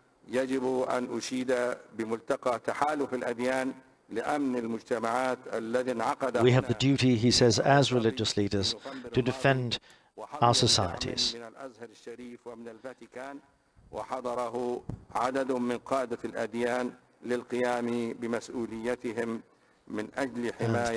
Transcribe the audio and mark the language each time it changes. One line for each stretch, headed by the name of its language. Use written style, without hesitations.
Arabic: يجب أن أشيد بملتقى تحالف الأديان لأمن المجتمعات الذي انعقد.
English: We have the duty, he says, as religious leaders, to defend our societies.
Arabic: من الأزهر الشريف ومن الفاتيكان وحضره عدد من قادة الأديان للقيام بمسؤوليتهم من أجل حماية.